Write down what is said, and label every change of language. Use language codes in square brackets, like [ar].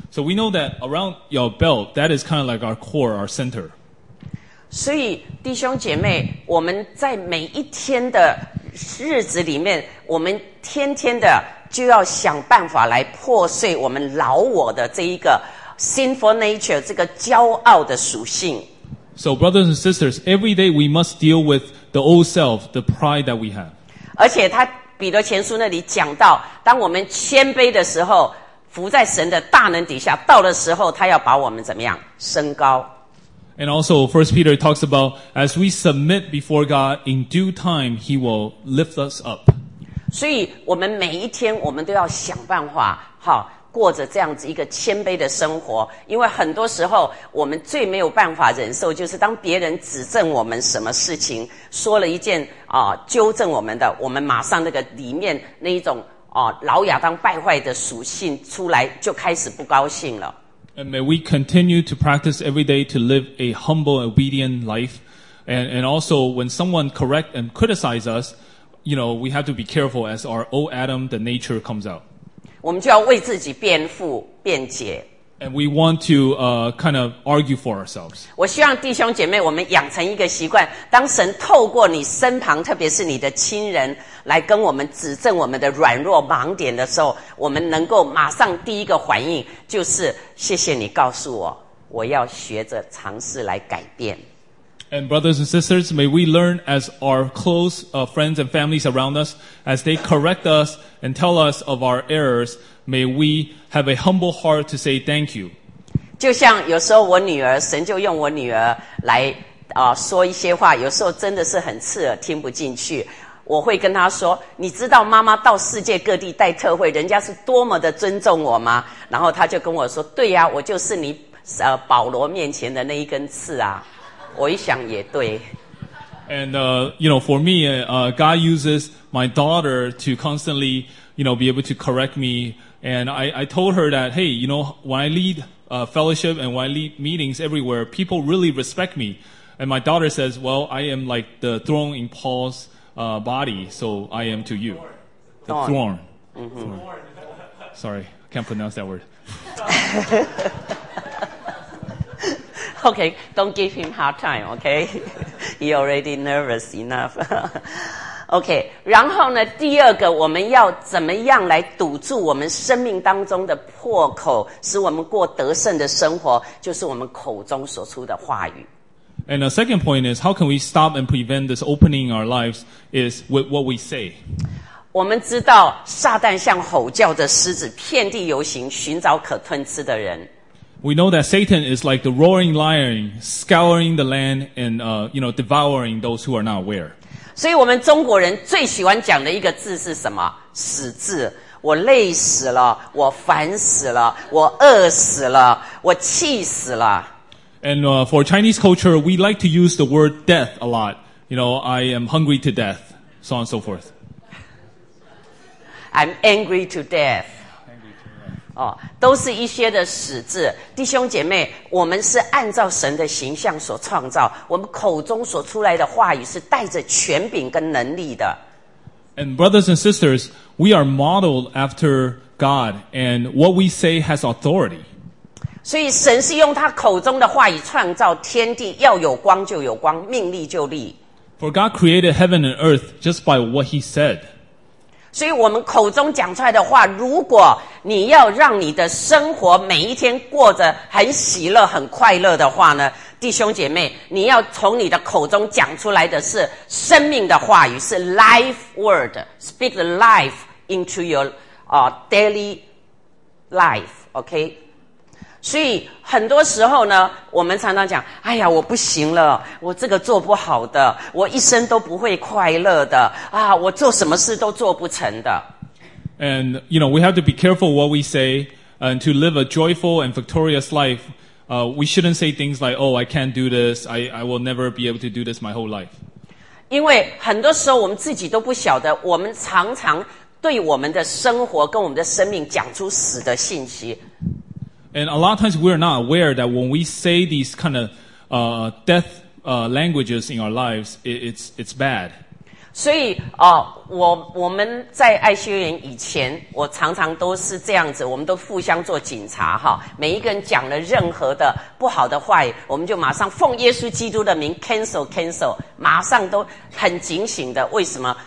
[en] So we know that around your belt, that is kind of like our core, our center. [zh] 所以弟兄姐妹，我们在每一天的日子里面，我们天天的就要想办法来破碎我们老我的这一个 [en] sinful nature, [zh] 这个骄傲的属性。 [en] So brothers and sisters, every day we must deal with the old self, the pride that we have. [zh] 而且他彼得前书那里讲到，当我们谦卑的时候，服在神的大能底下，到的时候，他要把我们怎么样升高。 [en] And also, 1 Peter talks about, as we submit before God, in due time, He will lift us up. [zh] 所以我们每一天我们都要想办法好过着这样子一个谦卑的生活，因为很多时候我们最没有办法忍受就是当别人指正我们什么事情，说了一件纠正我们的，我们马上那个里面那一种老亚当败坏的属性出来，就开始不高兴了。 [en] And may we continue to practice every day to live a humble, obedient life. And also, when someone correct and criticize us, you know, we have to be careful as our old Adam, the nature comes out. [zh] 我们就要为自己辩护、辩解。 [en] And we want to, kind of argue for ourselves. [zh] 我希望弟兄姐妹，我们养成一个习惯，当神透过你身旁，特别是你的亲人，来跟我们指正我们的软弱盲点的时候，我们能够马上第一个反应就是谢谢你告诉我，我要学着尝试来改变。 [en] And brothers and sisters, may we learn as our close friends and families around us, as they correct us and tell us of our errors, may we have a humble heart to say thank you. [zh] 就像有时候我女儿，神就用我女儿来说一些话，有时候真的是很刺耳，听不进去。我会跟他说，你知道妈妈到世界各地带特会，人家是多么的尊重我吗？然后他就跟我说，对呀，我就是你保罗面前的那一根刺啊。我一想也对。 [en] And, you know, for me, God uses my daughter to constantly, you know, be able to correct me. And I told her that, hey, you know, when I lead fellowship and when I lead meetings everywhere, people really respect me. And my daughter says, well, I am like the throne in Paul's body, so I am to you. The thorn. Mm-hmm. Sorry, can't pronounce that word. Okay, don't give him hard time, okay? He already nervous enough. [zh] Okay, 然后呢，第二个，我们要怎么样来堵住我们生命当中的破口，使我们过得胜的生活，就是我们口中所出的话语。 [en] And the second point is, how can we stop and prevent this opening in our lives is with what we say. [zh] 我们知道撒旦像吼叫的狮子遍地游行，寻找可吞吃的人。 [en] We know that Satan is like the roaring lion, scouring the land and, you know, devouring those who are not aware. [zh] 所以我们中国人最喜欢讲的一个字是什么？死字。我累死了，我烦死了，我饿死了，我气死了。 [en] And for Chinese culture, we like to use the word death a lot. You know, I am hungry to death, so on and so forth. I'm angry to death. Angry to death. [zh] 都是一些的死字。弟兄姐妹，我们是按照神的形象所创造，我们口中所出来的话语是带着权柄跟能力的。 [en] And brothers and sisters, we are modeled after God, and what we say has authority. [zh] 所以神是用他口中的话语创造天地，要有光就有光，命立就立。 [en] For God created heaven and earth just by what he said. [zh] 所以我们口中讲出来的话，如果你要让你的生活每一天过着很喜乐、很快乐的话呢，弟兄姐妹，你要从你的口中讲出来的是生命的话语，是 [en] life word. Speak the life into your daily life, okay? [zh] 所以很多时候呢，我们常常讲，哎呀，我不行了，我这个做不好的，我一生都不会快乐的啊，我做什么事都做不成的。 [en] And, you know, we have to be careful what we say, and to live a joyful and victorious life, we shouldn't say things like, oh, I can't do this, I will never be able to do this my whole life. [zh] 因为很多时候我们自己都不晓得，我们常常对我们的生活跟我们的生命讲出死的信息。 [en] And a lot of times we are not aware that when we say these kind of death languages in our lives, it's bad. [zh] 所以我们在爱修园以前，我常常都是这样子，我们都互相做警察哈。每一个人讲了任何的不好的话语，我们就马上奉耶稣基督的名 cancel， 马上都很警醒的。为什么？